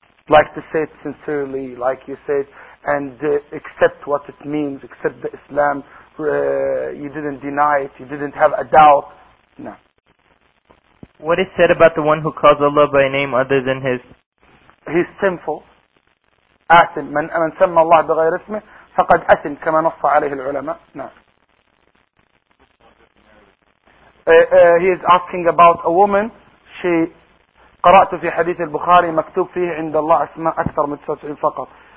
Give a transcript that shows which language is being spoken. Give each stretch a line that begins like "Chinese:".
English: Like to say it sincerely, like you said, and accept what it means, accept the Islam. You didn't deny it. You didn't have a doubt. No. What is said about the one who calls Allah by a name other than His? He's sinful.
Arabic: آثم من سمى الله بغير اسمه فقد أثم كما نص عليه العلماء. نعم.
English: He is asking about a woman. She
Arabic: قرأت في حديث البخاري مكتوب فيه عند الله أسماء أكثر من 99 فقط.